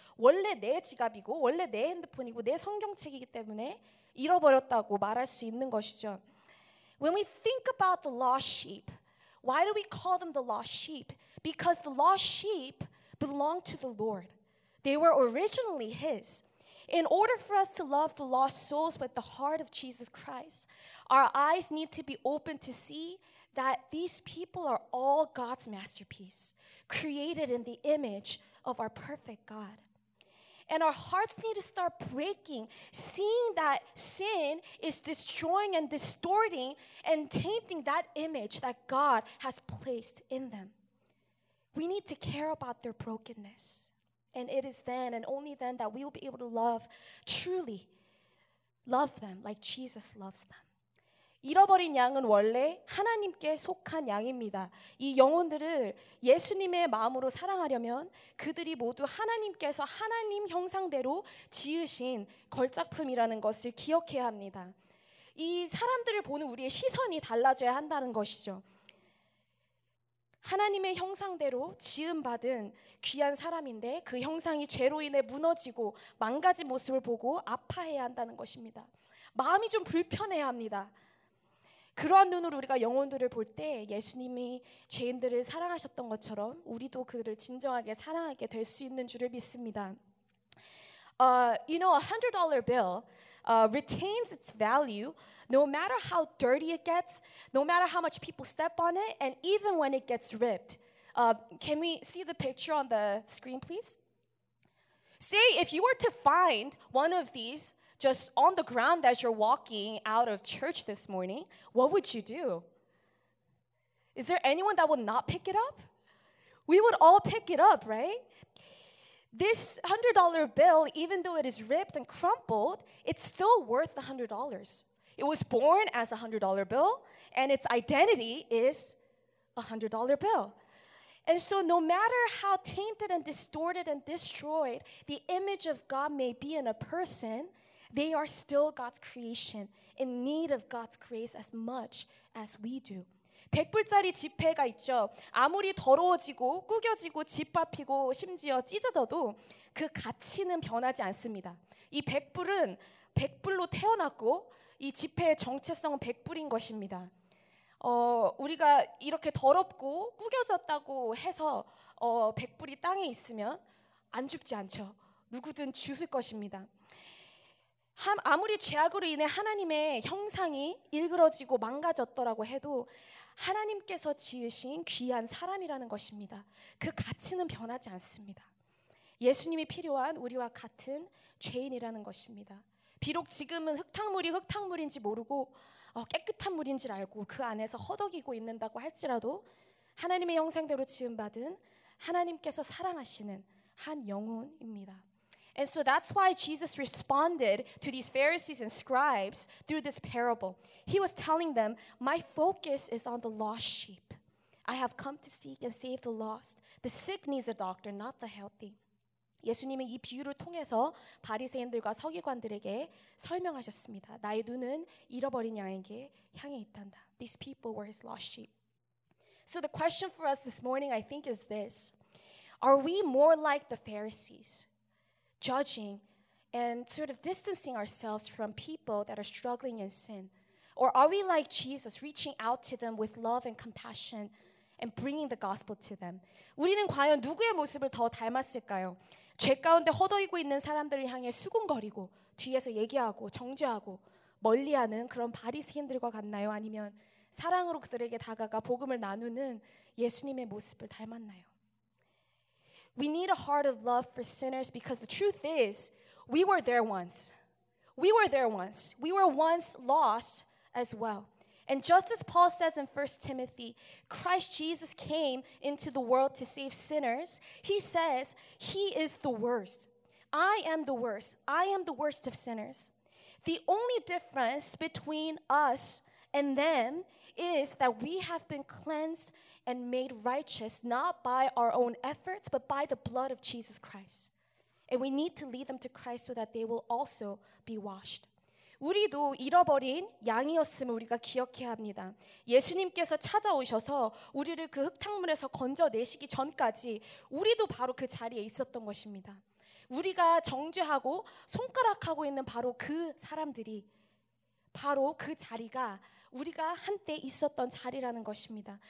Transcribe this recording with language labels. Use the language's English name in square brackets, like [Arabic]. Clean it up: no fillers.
[Korean] 원래 내 지갑이고 원래 내 핸드폰이고 내 성경책이기 때문에 잃어버렸다고 말할 수 있는 것이죠. [English] When we think about the lost sheep, why do we call them the lost sheep? Because the lost sheep belong to the Lord. They were originally his. In order for us to love the lost souls with the heart of Jesus Christ, our eyes need to be open to see that these people are all God's masterpiece, created in the image of our perfect God. And our hearts need to start breaking, seeing that sin is destroying and distorting and tainting that image that God has placed in them. We need to care about their brokenness. And it is then and only then that we will be able to love, truly love them like Jesus loves them. [Korean] 잃어버린 양은 원래 하나님께 속한 양입니다. 이 영혼들을 예수님의 마음으로 사랑하려면 그들이 모두 하나님께서 하나님 형상대로 지으신 걸작품이라는 것을 기억해야 합니다. 이 사람들을 보는 우리의 시선이 달라져야 한다는 것이죠. 하나님의 형상대로 지음받은 귀한 사람인데 그 형상이 죄로 인해 무너지고 망가진 모습을 보고 아파해야 한다는 것입니다. 마음이 좀 불편해야 합니다. 그러한 눈으로 우리가 영혼들을 볼 때 예수님이 죄인들을 사랑하셨던 것처럼 우리도 그들을 진정하게 사랑하게 될 수 있는 줄을 믿습니다. [English] You know, $100 bill retains its value no matter how dirty it gets, no matter how much people step on it, and even when it gets ripped. Can we see the picture on the screen, please? Say if you were to find one of these just on the ground as you're walking out of church this morning, what would you do? Is there anyone that would not pick it up? We would all pick it up, right? This $100 bill, even though it is ripped and crumpled, it's still worth the $100. It was born as a $100 bill, and its identity is a $100 bill. And so no matter how tainted and distorted and destroyed the image of God may be in a person, they are still God's creation, in need of God's grace as much as we do. [Korean] 백불짜리 지폐가 있죠. 아무리 더러워지고 구겨지고 짓밟히고 심지어 찢어져도 그 가치는 변하지 않습니다. 이 백불은 백불로 태어났고 이 지폐의 정체성은 백불인 것입니다. 우리가 이렇게 더럽고 구겨졌다고 해서 백불이 땅에 있으면 안 죽지 않죠. 누구든 죽을 것입니다. 아무리 죄악으로 인해 하나님의 형상이 일그러지고 망가졌더라고 해도 하나님께서 지으신 귀한 사람이라는 것입니다. 그 가치는 변하지 않습니다. 예수님이 필요한 우리와 같은 죄인이라는 것입니다. 비록 지금은 흙탕물이 흙탕물인지 모르고 깨끗한 물인지 알고 그 안에서 허덕이고 있는다고 할지라도 하나님의 형상대로 지음받은 하나님께서 사랑하시는 한 영혼입니다. [English] And so that's why Jesus responded to these Pharisees and scribes through this parable. He was telling them, my focus is on the lost sheep. I have come to seek and save the lost. The sick needs a doctor, not the healthy. [Korean] 예수님은 이 비유를 통해서 바리새인들과 서기관들에게 설명하셨습니다. 나의 눈은 잃어버린 양에게 향해 있단다. [English] These people were his lost sheep. So the question for us this morning, I think, is this. Are we more like the Pharisees? Judging and sort of distancing ourselves from people that are struggling in sin? Or are we like Jesus, reaching out to them with love and compassion and bringing the gospel to them? [Korean] 우리는 과연 누구의 모습을 더 닮았을까요? 죄 가운데 허덕이고 있는 사람들을 향해 수군거리고 뒤에서 얘기하고 정죄하고 멀리하는 그런 바리새인들과 같나요? 아니면 사랑으로 그들에게 다가가 복음을 나누는 예수님의 모습을 닮았나요? [English] We need a heart of love for sinners because the truth is, we were there once. We were there once. We were once lost as well. And just as Paul says in 1 Timothy, Christ Jesus came into the world to save sinners. He says, he is the worst. I am the worst. I am the worst of sinners. The only difference between us and them is that we have been cleansed and made righteous, not by our own efforts, but by the blood of Jesus Christ. And we need to lead them to Christ so that they will also be washed. [Korean] 우리도 잃어버린 양이었음을 우리가 기억해야 합니다. 예수님께서 찾아오셔서 우리를 그 흙탕물에서 건져내시기 전까지 우리도 바로 그 자리에 있었던 것입니다. 우리가 정죄하고 손가락하고 있는 바로 그 사람들이 바로 그 자리가 우리가 한때 있었던 자리라는 것입니다.